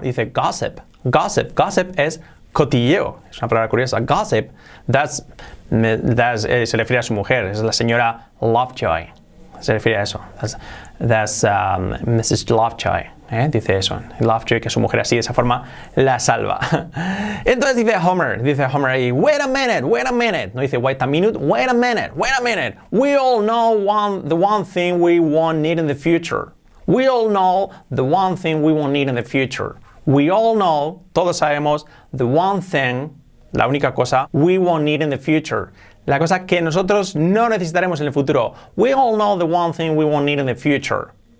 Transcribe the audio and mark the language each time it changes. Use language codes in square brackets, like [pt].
[es] Dice gossip es cotilleo, es una palabra curiosa, gossip, se refiere a su mujer, es la señora Lovejoy, se refiere a eso, Mrs. Lovejoy, dice eso, Lovejoy, que su mujer así, de esa forma, la salva. Entonces dice Homer ahí, [en] wait a minute, [es] no dice [en] wait a minute, we all know the one thing we won't need in the future. We all know, [es] todos sabemos, [en] the one thing, [es] la única cosa, [en] we won't need in the future. [es] La cosa que nosotros no necesitaremos en el futuro. [en] We all know the one thing we won't need in the future.